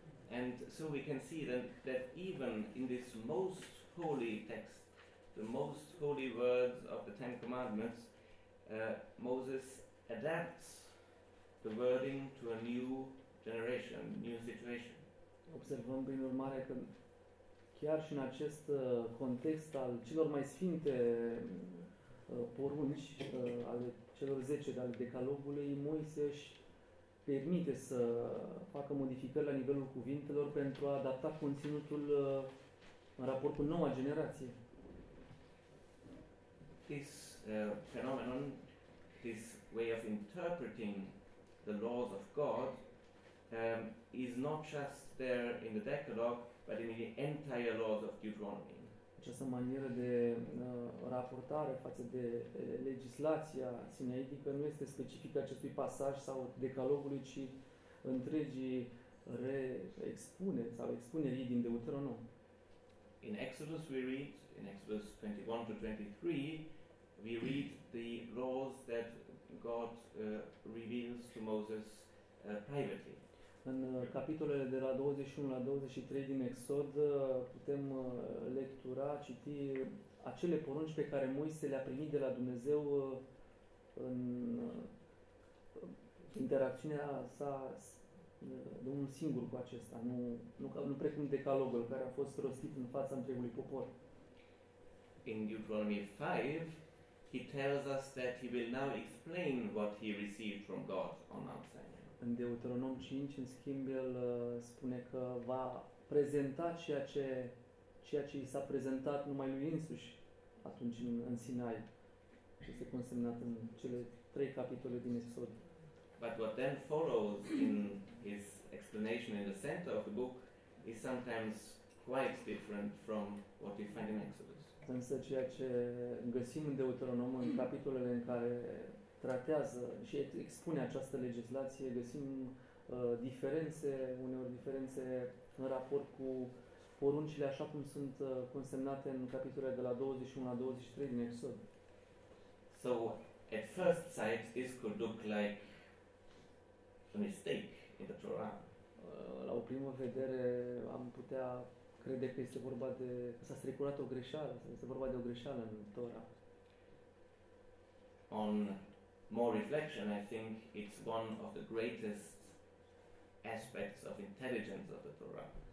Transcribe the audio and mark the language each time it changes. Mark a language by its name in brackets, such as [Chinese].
[English] And so we can see that, that even in this most holy text, the most holy words of the Ten Commandments, Moses adapts the wording to a new generation, new situation. [Romanian] Observăm prin urmare că chiar și în acest context al celor mai sfinte porunci ale celor 10 de ale decalogului, Moise își permite să facă modificări la nivelul cuvintelor pentru a adapta conținutul în raport cu noua generație. [English] This phenomenon, this way of interpreting the laws of God, is not just there in the Decalogue, but in the entire laws of Deuteronomy. [Romanian] Această manieră de raportare față de legislația sinaitică nu este specifică acestui pasaj sau decalogului, ci întregii reexpuneri sau expunerii din Deuteronom. [English] In Exodus we read, in Exodus 21-23, we read the laws that God reveals to Moses privately. [Romanian] În capitolele de la 21 la 23 din Exod putem lectura, citi acele porunci pe care Moise le-a primit de la Dumnezeu în interacțiunea sa de unul singur cu acesta, nu precum decalogul care a fost rostit în fața întregului popor. [English] In Deuteronomy 5, he tells us that he will now explain what he received from God on Mount Sinai. [Romanian] În Deuteronom 5, în schimb, el spune că va prezenta ceea ce, ceea ce i s-a prezentat numai lui însuși atunci în, în Sinai. Și este consemnat în cele trei capitole din Exod. [English] But what then follows in his explanation in the center of the book is sometimes quite different from what we find in Exodus. [Romanian] Însă ceea ce găsim în Deuteronom, în capitolele în care tratează și expune această legislație, găsim diferențe, uneori diferențe în raport cu poruncile așa cum sunt consemnate în capitolele de la 21 la 23 din Exod. [English] So, at first sight, this could look like a mistake in the Torah. [Romanian] La o primă vedere, am putea crede că este vorba de, s-a stricurat o greșeală, este vorba de o greșeală în Torah. [English] On more reflection, I think it's one of the greatest aspects of intelligence of the Torah.